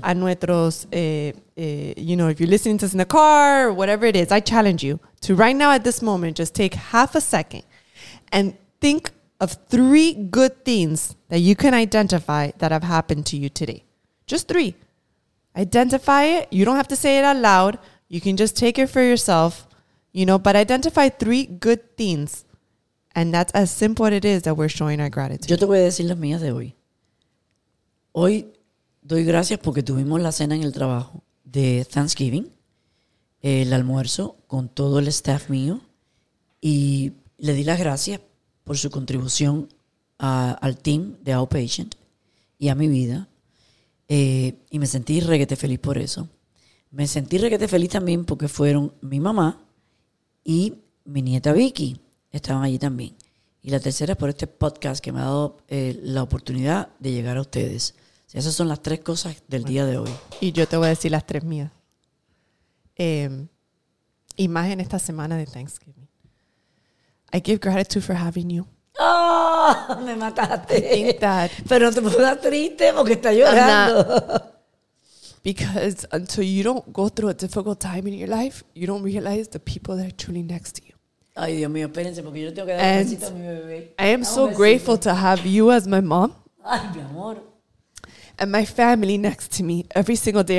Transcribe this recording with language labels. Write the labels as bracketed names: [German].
[Spanish] A nuestros, [English] you know, if you're listening to us in the car, whatever it is, I challenge you to right now at this moment, just take half a second and think of three good things that you can identify that have happened to you today. Just three. Identify it. You don't have to say it out loud. You can just take it for yourself, you know, but identify three good things. And that's as simple as it is that we're showing our gratitude. [Spanish] Yo te voy a decir las mías de hoy. Hoy doy gracias porque tuvimos la cena en el trabajo de Thanksgiving, el almuerzo con todo el staff mío, y le di las gracias por su contribución al team de Outpatient y a mi vida. Y me sentí reguete feliz por eso. Me sentí reguete feliz también porque fueron mi mamá y mi nieta Vicky. Estaban allí también. Y la tercera es por este podcast que me ha dado la oportunidad de llegar a ustedes. O sea, esas son las tres cosas del bueno, día de hoy. Y yo te voy a decir las tres mías. Y más en esta semana de Thanksgiving. [English] I give gratitude for having you. [Spanish] ¡Oh! ¡Me mataste! Pero no te pongas triste porque está llorando. [English] Because until you don't go through a difficult time in your life, you don't realize the people that are truly next to you. [Spanish] Ay, Dios mío, espérense, porque yo tengo que dar un besito a mi bebé. [English] I am so grateful to have you as my mom. [Spanish] Ay, mi amor. [English] And my family next to me every single day.